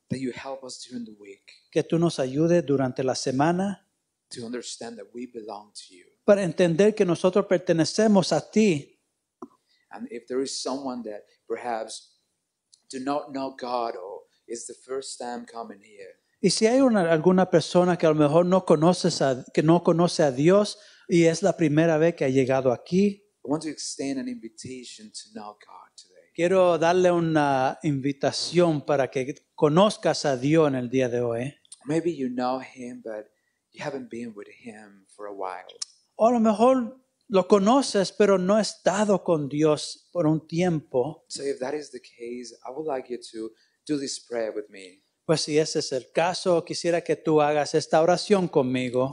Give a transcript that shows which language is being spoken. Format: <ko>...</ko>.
<en>That you help us during the week.</en> <es>Que tú nos ayudes durante la semana.</es> <en>To understand that we belong to you.</en> <es>Para entender que nosotros pertenecemos a ti.</es> <en>And if there is someone that perhaps do not know God or is the first time coming here.</en> <es>Y si hay alguna persona que a lo mejor no conoce a Dios y es la primera vez que ha llegado aquí.</es> <en>I want to extend an invitation to know God today.</en> <es>Quiero darle una invitación para que conozcas a Dios en el día de hoy.</es> <en>Maybe you know him, but you haven't been with him for a while.</en> <es>O a lo mejor lo conoces, pero no has estado con Dios por un tiempo.</es> <en>So if that is the case, I would like you to do this prayer with me.</en> <es>Pues si ese es el caso, quisiera que tú hagas esta oración conmigo.</es>